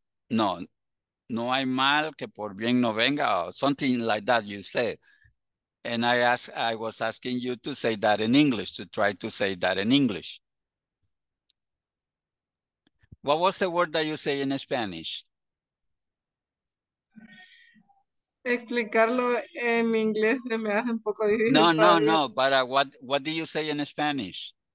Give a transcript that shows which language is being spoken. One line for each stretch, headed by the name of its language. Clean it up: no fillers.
Spanish: No hay mal que por bien no venga,
English: or something like that you said. And I was asking you to say that in English, to try to say that in English. What was the word that you say in Spanish?
Spanish: Explicarlo en inglés se me hace un poco difícil.
English: No, but what do you say in Spanish?